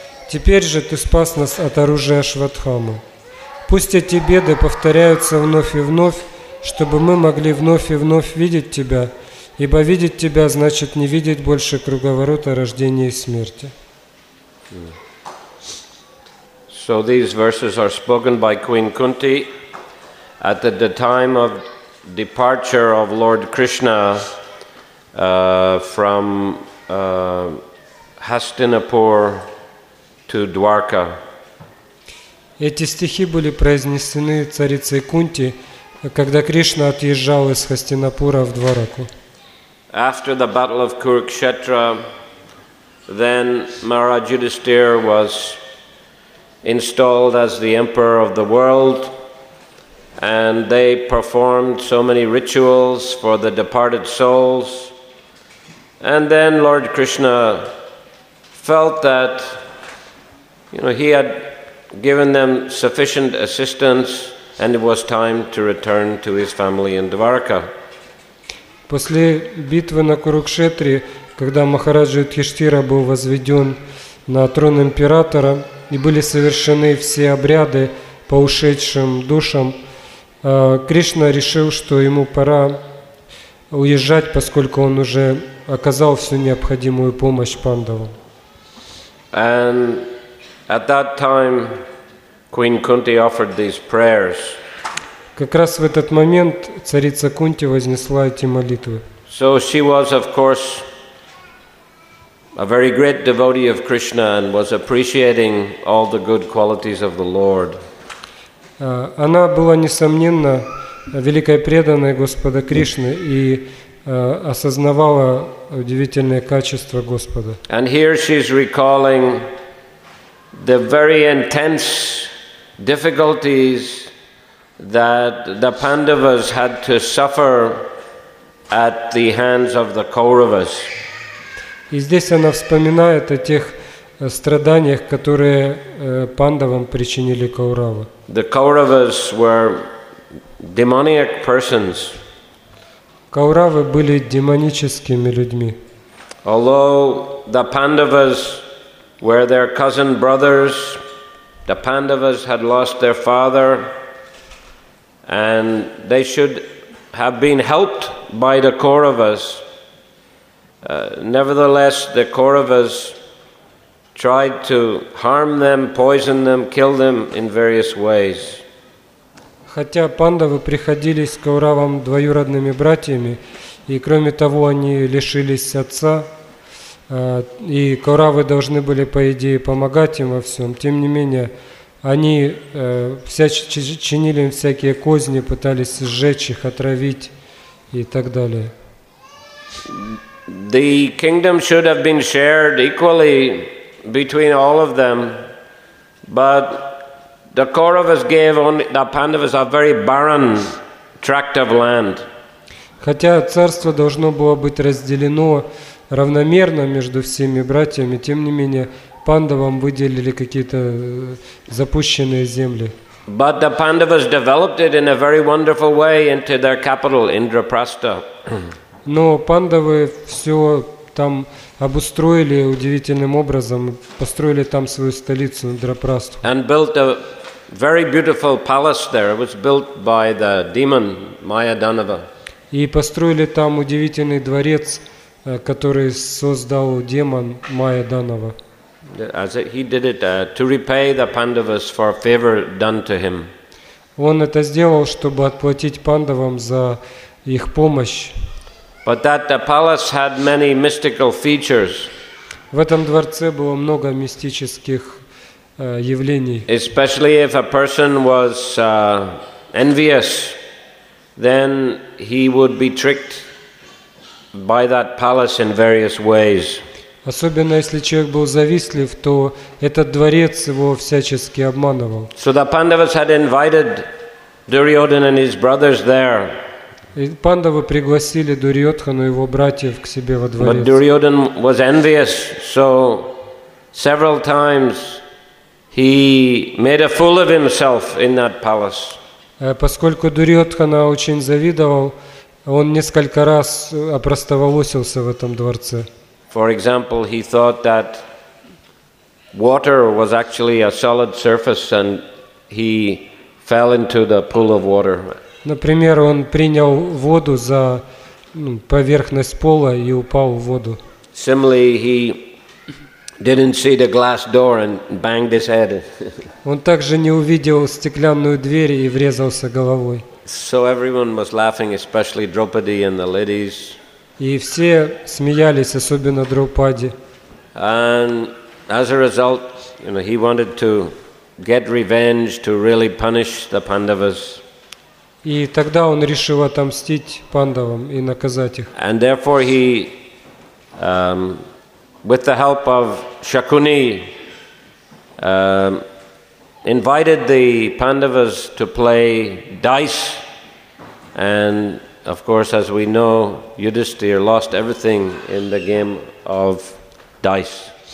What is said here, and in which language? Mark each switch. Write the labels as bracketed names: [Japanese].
[Russian] Теперь же Ты спас нас от оружия Ашватхамы. Пусть эти беды повторяются вновь и вновь, чтобы мы могли вновь и вновь видеть Тебя, ибо видеть Тебя значит не видеть больше круговорота рождения и смерти». [English] So these verses are spoken by Queen Kunti at the time of departure of Lord Krishna from Hastinapur to Dwarka. [Russian] Эти стихи были произнесены царицей Кунти, когда Кришна отъезжал из Хастинапура в Двараку. [English] After the battle of Kurukshetra, then Maharaj Yudhisthira was installed as the emperor of the world, and they performed so many rituals for the departed souls. And then Lord Krishna felt that, you know, he had given them sufficient assistance, and it was time to return to his family in Dwarka. [Russian] После битвы на Курукшетре, когда Махараджа Юдхиштхира был возведен на трон императора и были совершены все обряды по ушедшим душам, Кришна решил, что ему пора уезжать, поскольку он уже оказал всю необходимую помощь пандавам. [English] And At that time, Queen Kunti offered these prayers. [Russian] Как раз в этот момент царица Кунти вознесла эти молитвы. [English] So she was, of course, a very great devotee of Krishna and was appreciating all the good qualities of the Lord. [Russian] Она была несомненно великой преданной Господа Кришны и осознавала удивительные качества Господа. [English] And here she's recalling the very intense difficulties that the Pandavas had to suffer at the hands of the Kauravas. [Russian] И здесь она вспоминает о тех страданиях, которые пандавам причинили Кауравы. [English] The Kauravas were demoniac persons. [Russian] Кауравы были демоническими людьми. [English] Although the Pandavas were their cousin brothers, the Pandavas had lost their father, and they should have been helped by the Kauravas. Nevertheless, the Kauravas tried to harm them, poison them, kill them in various ways. [Russian] Хотя пандавы приходились кауравам двоюродными братьями, и кроме того, они лишились отца, и кауравы должны были, по идее, помогать им во всем. Тем не менее, они чинили им всякие козни, пытались сжечь их, отравить и так далее. [English] The kingdom should have been shared equally between all of them, but the Kauravas gave only the Pandavas a very barren tract of land. [Russian] Хотя царство должно было быть разделено равномерно между всеми братьями, тем не менее пандавам выделили какие-то запущенные земли. [English] But the Pandavas developed it in a very wonderful way into their capital, Indraprastha. [Russian] Но пандавы все там обустроили удивительным образом, построили там свою столицу, Индрапрасту. [English] And built a very beautiful palace there. It was built by the demon Mayadhanava. [Russian] И построили там удивительный дворец, который создал демон Mayadhanava. [English] As he did it to repay the Pandavas for a favor done to him. [Russian] Он это сделал, чтобы отплатить пандавам за их помощь. [English] But that the palace had many mystical features. [Russian] В этом дворце было много мистических явлений. [English] Especially if a person was envious, then he would be tricked by that palace in various ways. [Russian] Особенно если человек был завистлив, то этот дворец его всячески обманывал. [English] So the Pandavas had invited Duryodhana and his brothers there. [Russian] Пандавы пригласили Дурьотхану и его братьев к себе во дворец. [English] But Duryodhan was envious, so several times he made a fool of himself in that palace. [Russian] Поскольку Дурьотхана очень завидовал, он несколько раз опростоволосился в этом дворце. [English] For example, he thought that water was actually a solid surface, and he fell into the pool of water. [Russian] Например, он принял воду за поверхность пола и упал в воду. [English] Similarly, he didn't see the glass door and banged his head. [Russian] Он также не увидел стеклянную дверь и врезался головой. [English] So everyone was laughing, especially Draupadi and the ladies. [Russian] И все смеялись, особенно Драупади. [English] And as a result, you know, he wanted to get revenge to really punish the Pandavas. [Russian] И тогда он решил отомстить пандавам и наказать их. [English] And therefore he, with the help of Shakuni, invited the Pandavas to play dice. And of course, as we know, Yudhishthir lost everything in the game of dice.